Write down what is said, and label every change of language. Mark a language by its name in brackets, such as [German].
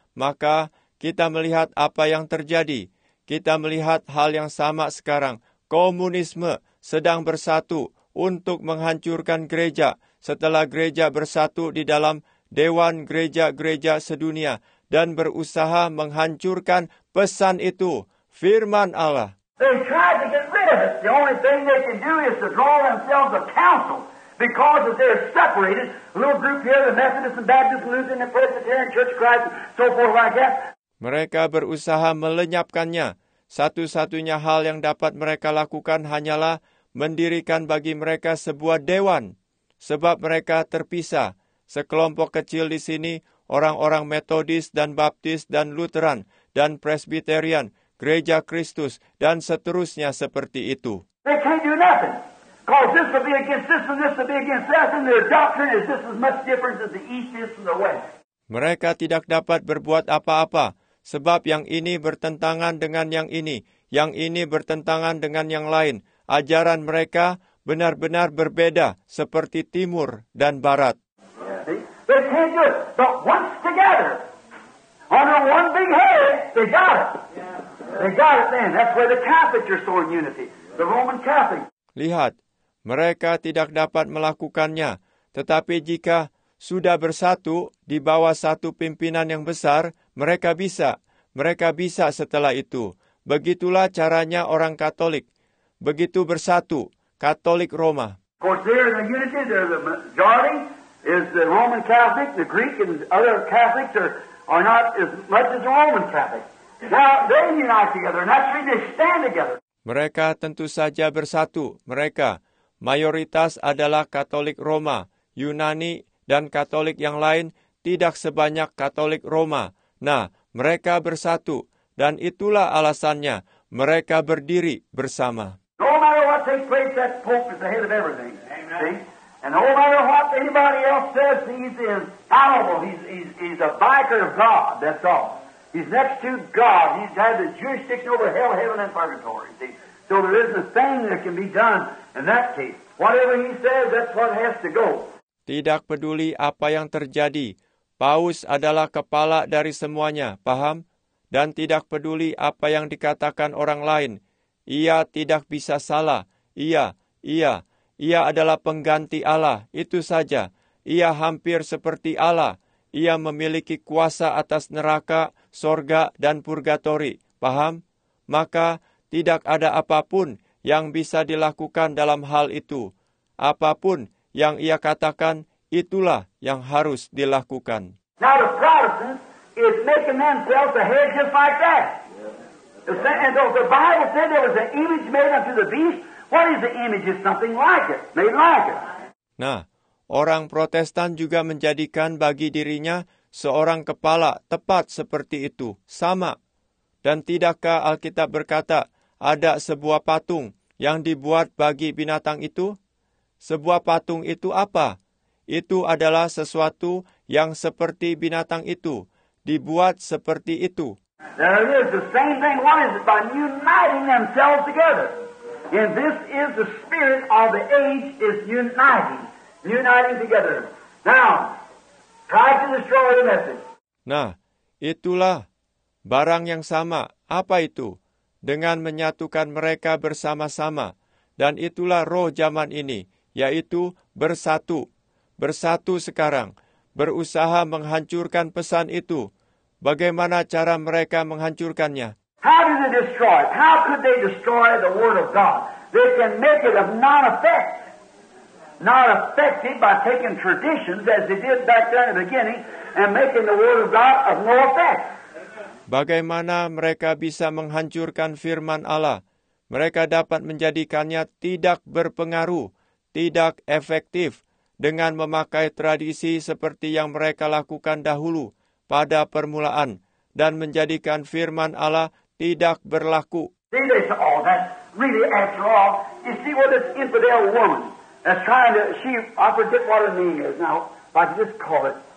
[Indonesian] Maka kita melihat apa yang terjadi. Kita melihat hal yang sama sekarang. Komunisme sedang bersatu untuk menghancurkan gereja. Setelah gereja bersatu di dalam Dewan Gereja-Gereja Sedunia dan berusaha menghancurkan pesan itu, Firman Allah. [English] They tried to get rid of it. The only thing they can do is to draw themselves a council because if they're separated. A little group here, the Methodist and Baptist, Lutheran and Presbyterian Church of Christ, so forth like that. [Indonesian] Mereka berusaha melenyapkannya. Satu-satunya hal yang dapat mereka lakukan hanyalah mendirikan bagi mereka sebuah dewan. Sebab mereka terpisah. Sekelompok kecil di sini, orang-orang Methodist dan Baptist dan Lutheran dan Presbyterian, Gereja Kristus dan seterusnya seperti itu. [English] They can't do nothing. Because this will be against this and this will be against that and their doctrine is just as much different as the east is from the west. [Indonesian] Mereka tidak dapat berbuat apa-apa sebab yang ini bertentangan dengan yang ini. yang ini bertentangan dengan yang lain. Ajaran mereka benar-benar berbeda seperti timur dan barat. [English] They can't do it. But once together, under one big head, they got it. They got it then. That's where the Catholics are so in unity. The Roman Catholics. [Indonesian] Lihat, mereka tidak dapat melakukannya. Tetapi jika sudah bersatu di bawah satu pimpinan yang besar, mereka bisa. Mereka bisa setelah itu. Begitulah caranya orang Katolik. Begitu bersatu, Katolik Roma. [English] Of course, they're in the unity. They're the majority. Is the Roman Catholic, the Greek and other Catholics are not as much as the Roman Catholic. Now, they unite together. And that's why they stand together. [Indonesian] Mereka tentu saja bersatu. Mereka, mayoritas adalah Katolik Roma, Yunani, dan Katolik yang lain tidak sebanyak Katolik Roma. Nah, mereka bersatu. Dan itulah alasannya. Mereka berdiri bersama. [English] No matter what takes place, that Pope is the head of everything. Amen. See? And no matter what anybody else says, he's infallible. He's a vicar of God, that's all. He's next to God. He's had the jurisdiction over hell, heaven, and purgatory. See? So there isn't a thing that can be done in that case. Whatever he says, that's what has to go. [Indonesian] Tidak peduli apa yang terjadi. Paus adalah kepala dari semuanya, paham? Dan tidak peduli apa yang dikatakan orang lain. Ia tidak bisa salah. Ia adalah pengganti Allah, itu saja. Ia hampir seperti Allah. Ia memiliki kuasa atas neraka, sorga, dan purgatori. Paham? Maka tidak ada apapun yang bisa dilakukan dalam hal itu. Apapun yang ia katakan, itulah yang harus dilakukan. [English] Now the Protestants is making themselves a head just like that. And the Bible said there was an image made unto the beast. What is the image? It's something like it, made like it. [Indonesian] Nah, orang Protestan juga menjadikan bagi dirinya seorang kepala tepat seperti itu, sama. Dan tidakkah Alkitab berkata ada sebuah patung yang dibuat bagi binatang itu? Sebuah patung itu apa? Itu adalah sesuatu yang seperti binatang itu, dibuat seperti itu. [English] There is the same thing. What is it? By uniting themselves together. And this is the spirit of the age, is uniting together. Now, try to destroy the message. [Indonesian] Nah, itulah barang yang sama. Apa itu? Dengan menyatukan mereka bersama-sama. Dan itulah roh zaman ini, yaitu bersatu. Bersatu sekarang. Berusaha menghancurkan pesan itu. Bagaimana cara mereka menghancurkannya? [English] How did they destroy it? How could they destroy the Word of God? They can make it of non-effect. Not effective by taking traditions as they did back then in the beginning and making the Word of God of no effect. [Indonesian] Bagaimana mereka bisa menghancurkan firman Allah? Mereka dapat menjadikannya tidak berpengaruh, tidak efektif, dengan memakai tradisi seperti yang mereka lakukan dahulu, pada permulaan, dan menjadikan firman Allah tidak berlaku. [English] See, they say, oh, that's really after all. You see what this infidel woman is trying to, she, I forget what her name is now, but I just call it.